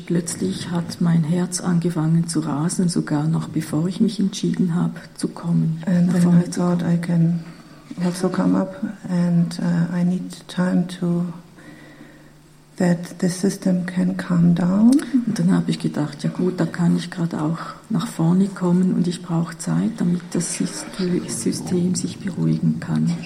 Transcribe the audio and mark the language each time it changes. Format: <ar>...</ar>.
<de>Plötzlich hat mein Herz angefangen zu rasen, sogar noch bevor ich mich entschieden habe, zu kommen.</de> <en>And then I thought I can also come up and I need time to that the system can calm down.</en> <de>Und dann habe ich gedacht, ja gut, da kann ich gerade auch nach vorne kommen und ich brauche Zeit, damit das System sich beruhigen kann.</de>